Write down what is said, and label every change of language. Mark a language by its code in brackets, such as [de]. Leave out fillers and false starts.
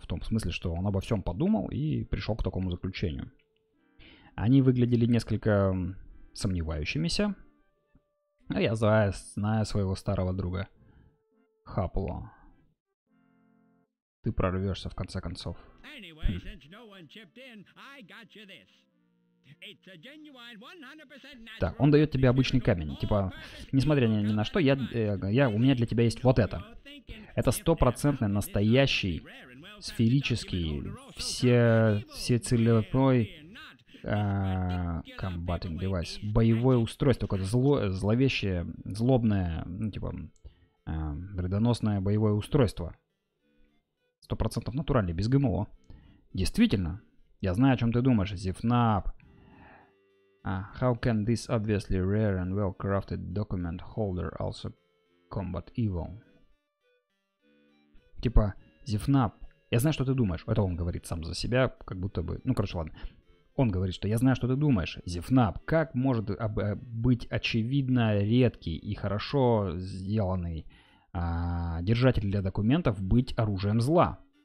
[ru] В том смысле, что он обо всем подумал и пришел к такому заключению. Они выглядели несколько сомневающимися. А я знаю своего старого друга. Хапло. Ты прорвешься в конце концов. [en] Anyway, since no one chipped in, I got you this. It's a genuine 100% natural. [ru] Так, он дает тебе обычный камень. Типа, несмотря ни на что, у меня для тебя есть вот это. Это 100% настоящий, сферический, всецелевой [en] combating device. [ru] Боевое устройство, какое-то зловещее, злобное, ну, типа, вредоносное боевое устройство. 100% натуральный, без ГМО. Действительно, я знаю, о чем ты думаешь, Зифнап. [en] How can this obviously rare and well-crafted document holder also combat evil? [ru] Типа, Зифнап, я знаю, что ты думаешь. Это он говорит сам за себя, как будто бы... Ну, короче, ладно. Он говорит, что я знаю, что ты думаешь, Зифнап. Как может быть очевидно редкий и хорошо сделанный держатель для документов быть оружием зла?